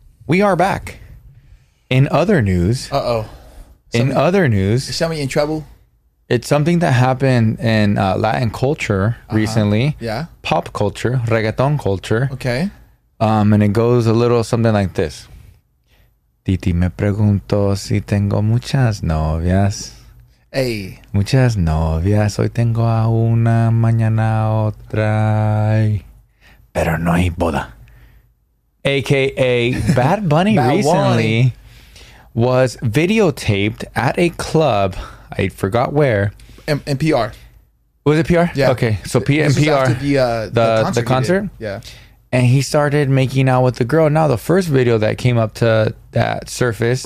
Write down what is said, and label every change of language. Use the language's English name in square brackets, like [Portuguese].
[English] We are back. In other news. Uh-oh. In other news. Is somebody in trouble? It's something that happened in Latin culture recently. Yeah. Pop culture, reggaeton culture. Okay. And it goes a little something like this. [Spanish] Titi me pregunto si tengo muchas novias. [English] Hey. [Spanish] Muchas novias. Hoy tengo a una, mañana a otra. Pero no hay boda. [English] AKA Bad Bunny recently was videotaped at a club. I forgot where. NPR. Was it PR? Yeah. Okay. So NPR. This was after the concert? Yeah. And he started making out with the girl. Now, the first video that came up to that surface